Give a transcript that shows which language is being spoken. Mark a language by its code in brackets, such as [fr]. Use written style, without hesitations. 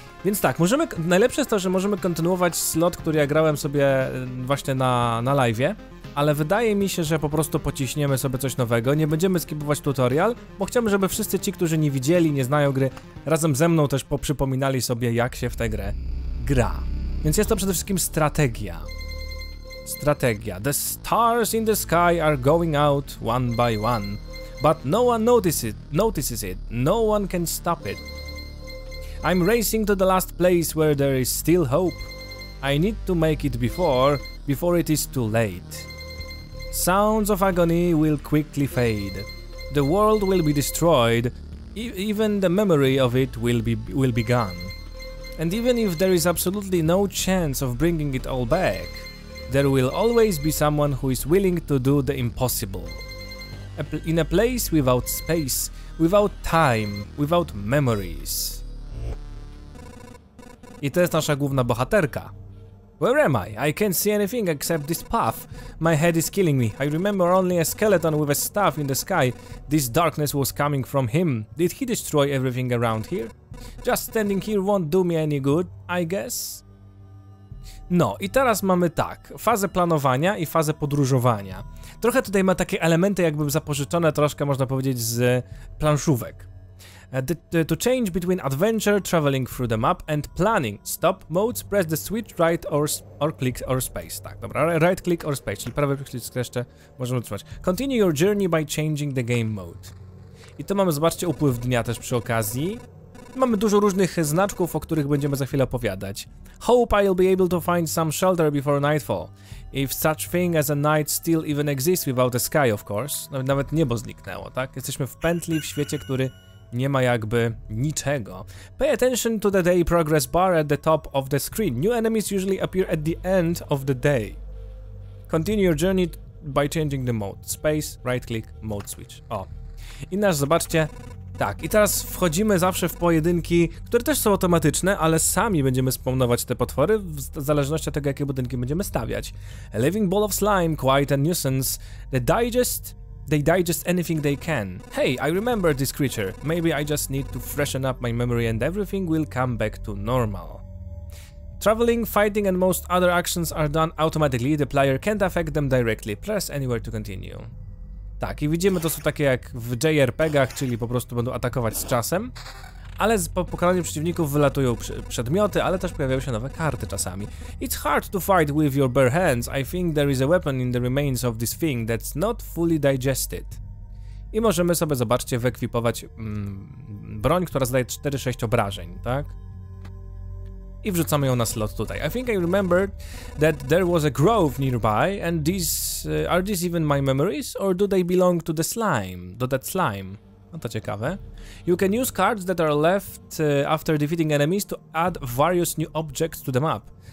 [pl] Więc tak, najlepsze jest to, że możemy kontynuować slot, który ja grałem sobie właśnie na live'ie, ale wydaje mi się, że po prostu pociśniemy sobie coś nowego, nie będziemy skipować tutorial, bo chciałbym, żeby wszyscy ci, którzy nie widzieli, nie znają gry, razem ze mną też poprzypominali sobie, jak się w tę grę gra. Więc jest to przede wszystkim strategia. Strategia. [en] The stars in the sky are going out one by one, but no one notices it, no one can stop it. I'm racing to the last place where there is still hope. I need to make it before it is too late. Sounds of agony will quickly fade. The world will be destroyed. Even the memory of it will be gone. And even if there is absolutely no chance of bringing it all back, there will always be someone who is willing to do the impossible. In a place without space, without time, without memories. [pl] I to jest nasza główna bohaterka. [en] Where am I? I can't see anything except this path. My head is killing me. I remember only a skeleton with a staff in the sky. This darkness was coming from him. Did he destroy everything around here? Just standing here won't do me any good, I guess. [pl] No i teraz mamy tak, fazę planowania i fazę podróżowania. Trochę tutaj ma takie elementy jakby zapożyczone troszkę, można powiedzieć, z planszówek. [en] To change between adventure, traveling through the map and planning. Stop modes, press the switch right or click or space. [pl] Tak, dobra, [en] right click or space, [pl] czyli prawy przycisk jeszcze możemy utrzymać. [en] Continue your journey by changing the game mode. [pl] I to mamy, zobaczcie, upływ dnia też przy okazji. Mamy dużo różnych znaczków, o których będziemy za chwilę opowiadać. [en] Hope I'll be able to find some shelter before nightfall. If such thing as a night still even exists without the sky, of course. [pl] Nawet niebo zniknęło, tak? Jesteśmy w pętli, w świecie, który nie ma jakby niczego. [en] Pay attention to the day progress bar at the top of the screen. New enemies usually appear at the end of the day. Continue your journey by changing the mode. Space, right click, mode switch. O. [pl] I nasz, zobaczcie. Tak, i teraz wchodzimy zawsze w pojedynki, które też są automatyczne, ale sami będziemy spawnować te potwory w zależności od tego, jakie budynki będziemy stawiać. [en] A living ball of slime, quite a nuisance. They digest anything they can. Hey, I remember this creature. Maybe I just need to freshen up my memory and everything will come back to normal. Traveling, fighting and most other actions are done automatically. The player can't affect them directly. Press anywhere to continue. [pl] Tak, i widzimy, to są takie jak w JRPG-ach, czyli po prostu będą atakować z czasem. Ale po pokonaniu przeciwników wylatują przedmioty, ale też pojawiają się nowe karty czasami. [en] It's hard to fight with your bare hands. I think there is a weapon in the remains of this thing that's not fully digested. [pl] I możemy sobie, zobaczcie, wyekwipować broń, która zadaje 4-6 obrażeń, tak? I wrzucamy ją na slot tutaj. [en] I think I remember that there was a grove nearby and are these even my memories or do they belong to the slime? Do that slime. [pl] No to ciekawe. [en] You can use cards that are left after defeating enemies to add various new objects to the map.